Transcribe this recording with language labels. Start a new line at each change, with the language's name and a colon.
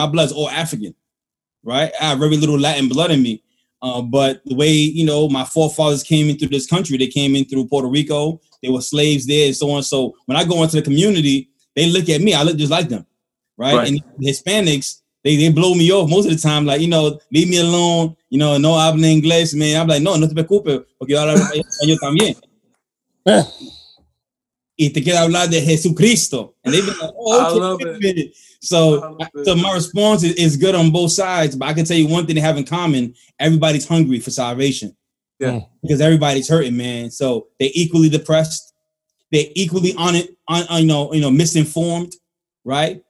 English: My blood's all African, right? I have very little Latin blood in me. But the way, you know, my forefathers came into this country, they came in through Puerto Rico. They were slaves there and so on. So when I go into the community, they look at me. I look just like them, right? And Hispanics, they blow me off most of the time. Like, you know, leave me alone. You know,
Spanish: no habla inglés,
English: man. I'm like,
Spanish: no te preocupes, porque yo hablo español también. Y te quiero hablar de Jesucristo.
English: And they've been like, oh, okay. So my response is good on both sides. But I can tell you one thing they have in common. Everybody's hungry for salvation. Yeah. Because everybody's hurting, man. So they're equally depressed. They're equally on it, misinformed, right?